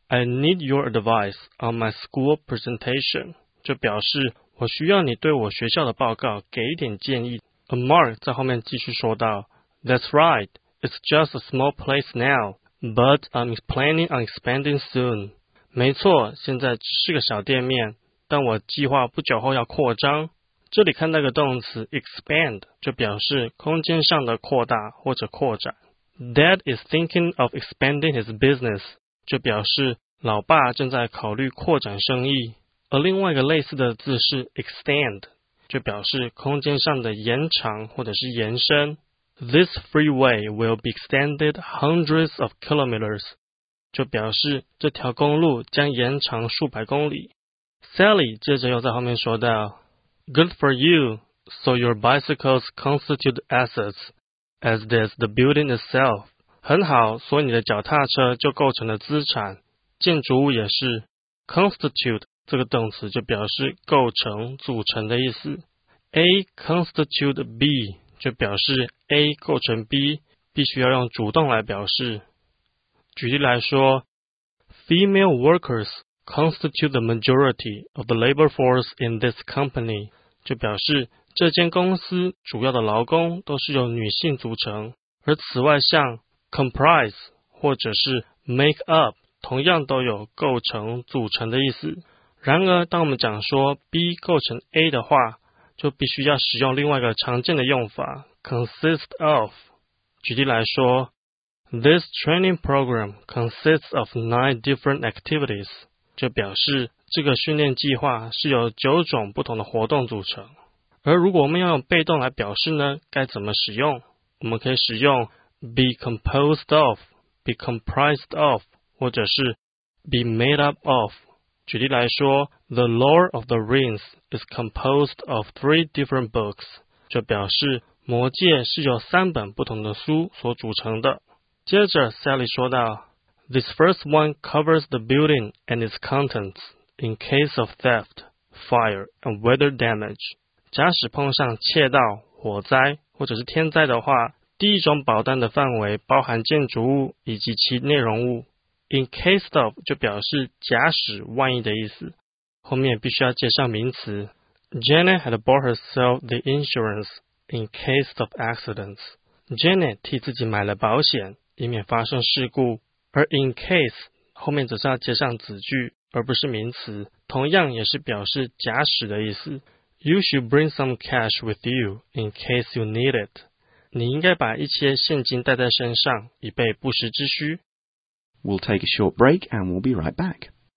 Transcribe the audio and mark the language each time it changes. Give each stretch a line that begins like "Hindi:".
English: I need your advice on my school presentation.
Chinese: 就表示我需要你对我学校的报告给一点建议。
English: A mark
Chinese: 在后面继续说道
English: That's right. It's just a small place now. But I'm planning on expanding soon.
Chinese: 没错，现在只是个小店面，但我计划不久后要扩张。这里看到个动词 expand 就表示空间上的扩大或者扩展。
English: Dad is thinking of expanding his business.
Chinese: 就表示老爸正在考虑扩展生意。而另外一个类似的字是 extend, 就表示空间上的延长或者是延伸。
English: This freeway will be extended hundreds of kilometers.
Chinese: 就表示这条公路将延长数百公里。
English: Sally
Chinese: 接着又在后面说道
English: Good for you, so your bicycles constitute assets, as does the building itself.
Chinese: 很好，所以你的脚踏车就构成了资产，建筑物也是。 Constitute 这个动词就表示构成、组成的意思。 A constitute B 就表示 A 构成 B, 必须要用主动来表示。举例来说
English: ,female workers,constitute the majority of the labor force in this company,
Chinese: 就表示这间公司主要的劳工都是由女性组成。而此外像 comprise 或者是 make up 同样都有构成、组成的意思。然而当我们讲说 B 构成 A 的话，就必须要使用另外一个常见的用法 consist of。举例来说
English: This training program consists of 9 different activities.
Chinese: 就表示这个训练计划是由九种不同的活动组成。而如果我们要用被动来表示呢，该怎么使用？我们可以使用 be composed of, be comprised of, 或者是 be made up of。举例来说 ,
English: The Lord of the Rings is composed of 3 different books,
Chinese: 就表示魔戒是由三本不同的书所组成的。接着 Sally 说道
English: This first one covers the building and its contents in case of theft, fire, and weather damage.
Chinese: 假使碰上窃盗、火灾或者是天灾的话，第一种保单的范围包含建筑物以及其内容物。 In case of 就表示假使、万一的意思，后面必须要接上名词。
English: Janet had bought herself the insurance in case of accidents.
Chinese: Janet 替自己买了保险，以免发生事故。而 in case 后面则是要接上子句，而不是名词，同样也是表示假使的意思。
English: You should bring some cash with you in case you need it.
Chinese: 你应该把一些现金带在身上，以备不时之需。
English: We'll take a short break and we'll be right back.